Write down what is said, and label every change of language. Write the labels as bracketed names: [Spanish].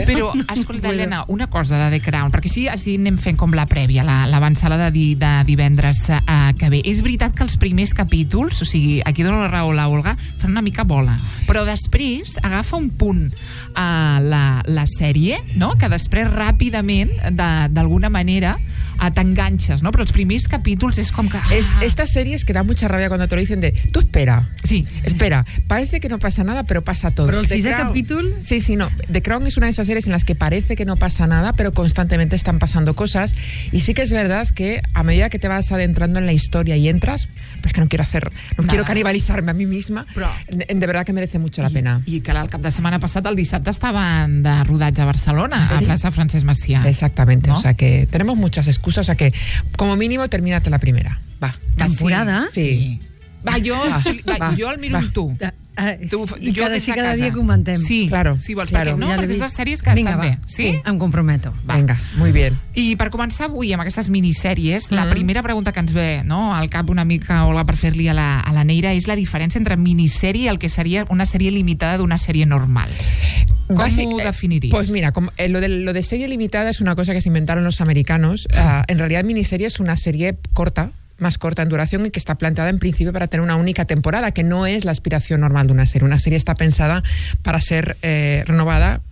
[Catalan] Però, escolta, Helena, una cosa de The Crown, perquè així anem fent com la prèvia, l'avançada de divendres que ve. És veritat que els primers capítols, o sigui, aquí dono la raó a la Olga, fan una mica bola, però després agafa un punt a la sèrie, no? Que després ràpidament, d'alguna manera, t'enganxes, no? Però els primers capítols és com que... [Spanish] Estas series que da mucha rabia cuando te lo dicen de tú espera, sí, espera, parece que no pasa nada, pero pasa todo. [Catalan] Però el sisè capítol... [Spanish] Sí, no, The Crown es una de esas series en las que parece que no pasa nada, pero constantemente están pasando cosas, y sí que es verdad que a medida que te vas adentrando en la historia y entras, pues que no quiero canibalizarme a mí misma, [Catalan] però... [Spanish] de verdad que merece mucho la pena. [Catalan] I que el cap de setmana passat, el dissabte, estaven de rodatge a Barcelona, sí, a plaça Francesc Macià. [Spanish] Exactamente, ¿no? O sea que tenemos muchas excusas, o sea que como mínimo termínate la primera. [Catalan] Va. [Spanish] ¿Temporada? Sí. [Catalan] Va, jo el miro amb tu. Cada dia que ho mantem. Sí, [Spanish] claro. [Catalan] Si vols, [Spanish] claro. [Catalan] Perquè aquestes sèries que estan bé. Sí, em comprometo. Va. Vinga, [Spanish] muy bien. [Catalan] I per començar avui amb aquestes minissèries, la primera pregunta que ens ve, no, al cap una mica, Olga, per fer-li a la Neira, és la diferència entre minissèrie i el que seria una sèrie limitada d'una sèrie normal. [Spanish] ¿Cómo definirías? Pues mira, lo de serie limitada es una cosa que se inventaron los americanos. En realidad, miniserie es una serie corta, más corta en duración, y que está planteada en principio para tener una única temporada, que no es la aspiración normal de una serie. Una serie está pensada para ser renovada